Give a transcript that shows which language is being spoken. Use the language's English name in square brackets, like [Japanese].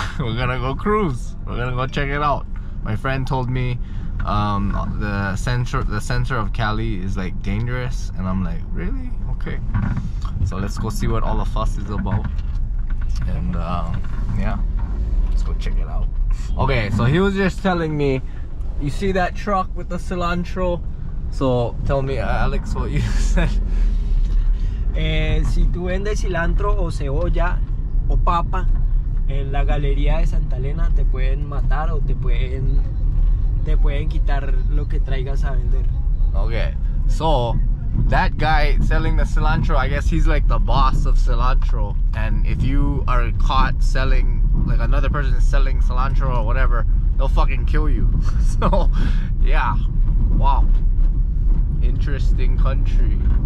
[English] We're gonna go cruise. We're gonna go check it out. My friend told me the center of Cali is like dangerous, and I'm like, really? Okay. So let's go see what all the fuss is about. And yeah, let's go check it out. Okay, so he was just telling me, you see that truck with the cilantro? So tell me, Alex, what you said. [Spanish] Si tú vendes cilantro o cebolla o papa en la galería de Santa Elena, te pueden matar o te pueden quitar lo que traigas a vender. [English] Okay, so that guy selling the cilantro, I guess he's like the boss of cilantro, and if you are caught selling, like another person is selling cilantro or whatever, they'll fucking kill you. So yeah, wow, interesting country.